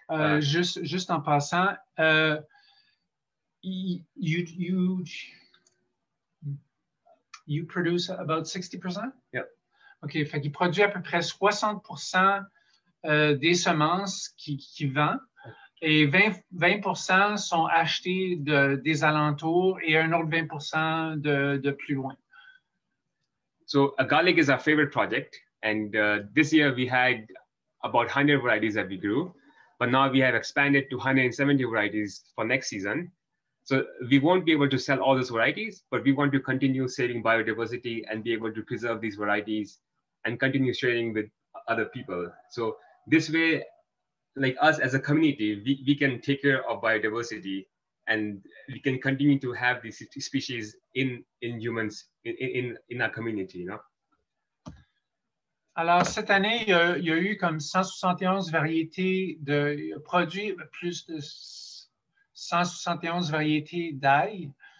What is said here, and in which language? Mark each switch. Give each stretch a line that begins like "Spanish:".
French: Juste en passant,
English: you produce about 60%? Yep.
French: OK, fait qu'il produit à peu près 60% des semences qui vend. Et 20% sont achetés des alentours et un autre 20% de plus loin.
English: So, garlic is our favorite project. And this year we had about 100 varieties that we grew. But now we have expanded to 170 varieties for next season. So, we won't be able to sell all those varieties, but we want to continue saving biodiversity and be able to preserve these varieties and continue sharing with other people. So, this way, like us as a community, we can take care of biodiversity and we can continue to have these species in humans, in our community, you know?
French: Alors, cette année, il y a eu comme 171 variétés de produits, plus de 171 variétés d'ail.